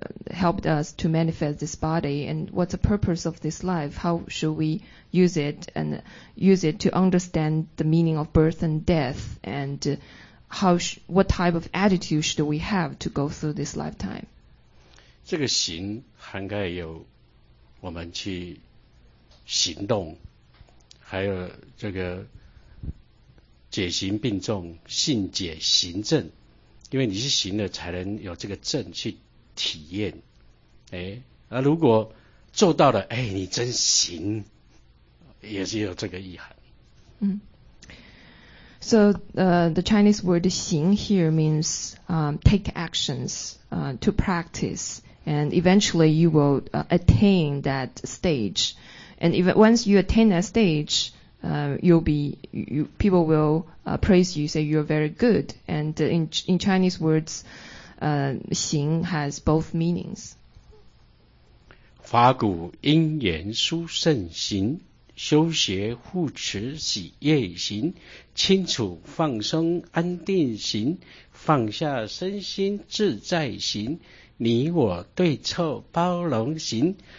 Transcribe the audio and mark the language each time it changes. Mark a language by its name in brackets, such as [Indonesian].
[English] helped us to manifest this body, and what's the purpose of this life, how should we use it and use it to understand the meaning of birth and death, andWhat type of attitude should we have to go through this lifetime? [Chinese] 这个行涵盖有我们去行动，还有这个解行并重，信解行证，因为你是行了才能有这个证去体验。而如果做到了，你真行，也是有这个意涵。 [English] So the Chinese word xing here means take actions to practice, and eventually you will attain that stage. And once you attain that stage, people will praise you, say you're very good. And in Chinese words, xing has both meanings. [Chinese] 法鼓因缘殊胜行修学护持喜悦行，清楚放松安定行，放下身心自在行，你我对错包容行，